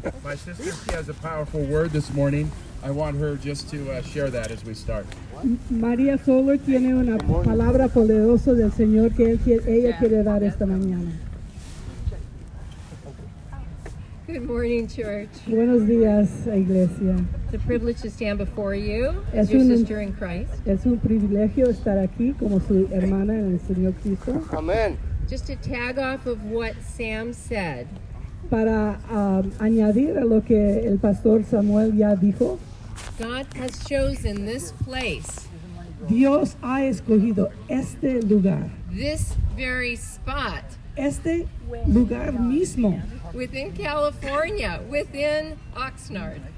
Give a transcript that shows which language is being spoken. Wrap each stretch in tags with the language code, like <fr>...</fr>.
<en>My sister, she has a powerful word this morning. I want her just to share that as we start.</en> <es>Maria Soler tiene una palabra poderosa del Señor que ella quiere dar esta mañana.</es> <en>Good morning, church.</en> <es>Buenos días, iglesia.</es> <en>It's a privilege to stand before you, as your sister in Christ.</en> <es>Es un privilegio estar aquí como su hermana en el Señor Cristo.</es> <en>Amen. Just to tag off of what Sam said.</en> <es>Para añadir a lo que el pastor Samuel ya dijo.</es> <en>God has chosen this place.</en> <es>Dios ha escogido este lugar.</es> <en>This very spot.</en> <es>Este lugar mismo.</es> <en>Within California, within Oxnard.</en>